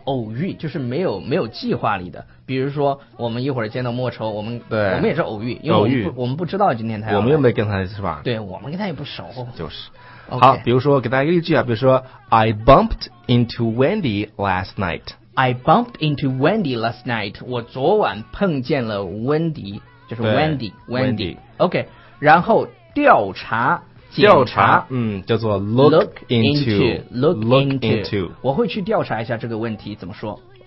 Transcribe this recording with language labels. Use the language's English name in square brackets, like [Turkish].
[Chinese] 偶遇就是没有计划里的。比如说我们一会儿见到莫愁，我们也是偶遇，因为我们不知道今天他要来，我们又没跟他是吧？对，我们跟他也不熟，就是、 [English] okay. [Chinese] 好，比如说给大家一个例句啊，比如说 [English] I bumped into Wendy last night， I bumped into Wendy last night， [Chinese] 我昨晚碰见了 [English] Wendy， 就是 Wendy OK。 [Chinese] 然后调查叫做 look into 我会去调查一下这个问题怎么说。